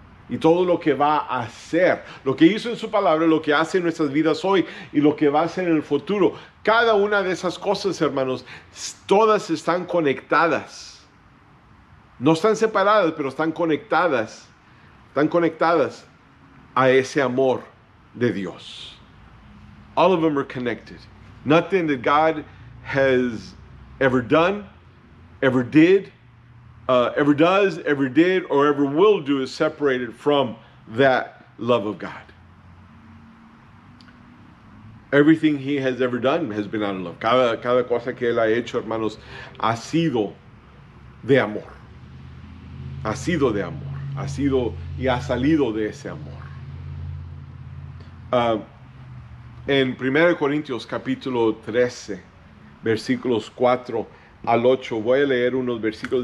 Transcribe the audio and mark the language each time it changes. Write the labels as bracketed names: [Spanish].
[Spanish] Y todo lo que va a hacer, lo que hizo en su palabra, lo que hace en nuestras vidas hoy y lo que va a hacer en el futuro. Cada una de esas cosas, hermanos, todas están conectadas. No están separadas, pero están conectadas. Están conectadas a ese amor de Dios. [English] All of them are connected. Nothing that God has ever done, ever did, ever does, ever did, or ever will do is separated from that love of God. Everything he has ever done has been out of love. [Spanish] Cada cosa que él ha hecho, hermanos, ha sido de amor. Ha sido de amor. Ha sido y ha salido de ese amor. En 1 Corintios capítulo 13, versículos 4 al 8, voy a leer unos versículos.